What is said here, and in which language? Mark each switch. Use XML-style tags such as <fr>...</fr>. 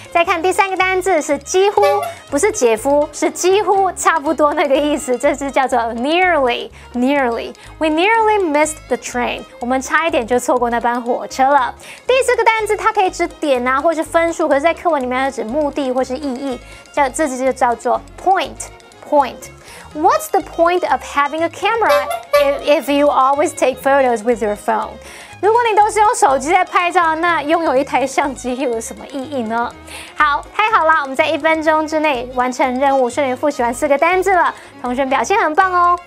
<zh>再看第三个单字是几乎，不是姐夫，是几乎差不多那个意思，这字叫做 nearly。</zh> <en>We nearly missed the train，</en> <zh>我们差一点就错过那班火车了。第四个单字它可以指点啊或是分数，可是在课文里面要指目的或是意义，叫这字就叫做 point。</zh> <en>What's the point of having a camera if you always take photos with your phone？</en> <zh>如果你都是用手机在拍照，那拥有一台相机又有什么意义呢？好，太好了，我们在一分钟之内完成任务，顺利复习完四个单字了，同学表现很棒哦。</zh>